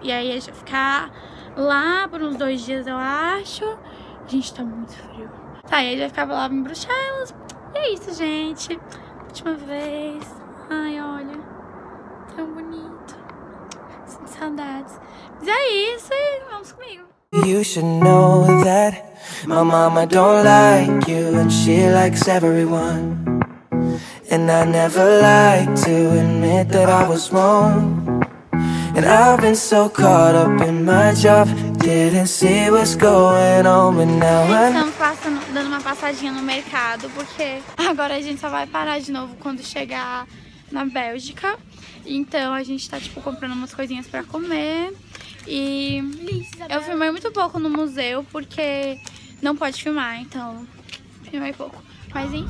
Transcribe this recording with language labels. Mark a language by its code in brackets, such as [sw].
[pt] E aí a gente vai ficar lá por uns 2 dias, eu acho. Gente, tá muito frio. Tá, aí a gente vai ficar lá em Bruxelas. E é isso, gente. Última vez. Ai, olha. Tão bonito. Sinto saudades. Mas é isso, e vamos comigo. [en] You should know that my mama don't like you, and she likes everyone. And I never like to admit that I was wrong. And I've been so caught up in my job, didn't see what's going on, but now I'm... [pt] Estamos passando, dando uma passadinha no mercado, porque agora a gente só vai parar de novo quando chegar na Bélgica. Então a gente tá tipo comprando umas coisinhas pra comer. E eu filmei muito pouco no museu, porque não pode filmar, então filmei pouco. Mas, hein?